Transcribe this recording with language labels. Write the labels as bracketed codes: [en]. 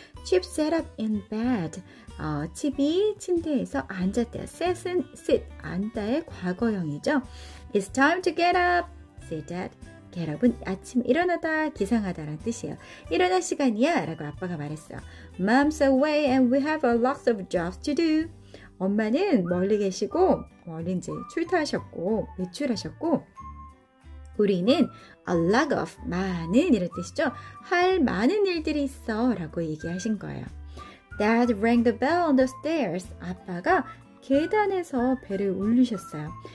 [en] Chip sat up in bed. [ko] 칩이 침대에서 앉았대요. Sit은 sit, 앉다의 과거형이죠. [en] It's time to get up, said Dad. [ko] Get up은 아침 일어나다, 기상하다라는 뜻이에요. 일어날 시간이야 라고 아빠가 말했어요. [en] Mom's away and we have lots of jobs to do. [ko] 엄마는 멀리 계시고, 멀리 이제 출퇴하셨고, 외출하셨고, 우리는 [en] a lot of, [ko] 많은 이런 뜻이죠. 할 많은 일들이 있어 라고 얘기하신 거예요. [en] Dad rang the bell on the stairs. [ko] 아빠가 계단에서 벨을 울리셨어요.